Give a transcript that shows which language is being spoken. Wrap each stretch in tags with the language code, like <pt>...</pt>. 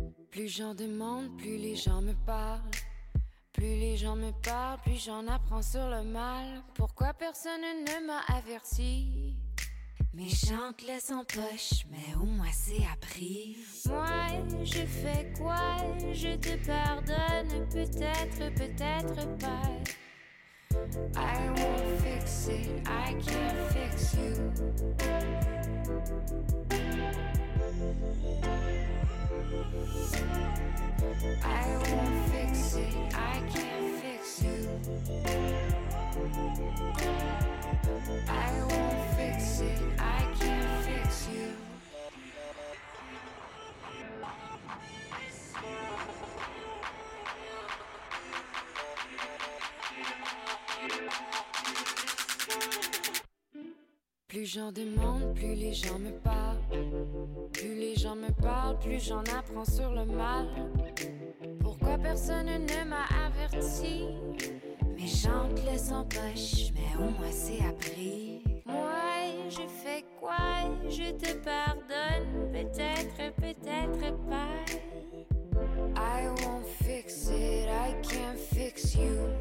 <fr>Plus j'en demande, plus les gens me parlent. Plus les gens me parlent, plus j'en apprends sur le mal. Pourquoi personne ne m'a averti? Mes gens laissent en poche, mais au moins c'est appris. Moi, je fais quoi? Je te pardonne, peut-être, peut-être pas.</fr> <en>I won't fix it, I can't fix you. I won't fix it, I can't fix you. I won't fix it, I can't fix you.</en> <fr>Plus j'en demande, plus les gens me parlent. Plus les gens me parlent, plus j'en apprends sur le mal. Pourquoi personne ne m'a averti? Mes gens te laissent en poche, mais au moins c'est appris. Moi, je fais quoi? Je te pardonne, peut-être, peut-être pas.</fr> <en>I won't fix it, I can't fix you.</en>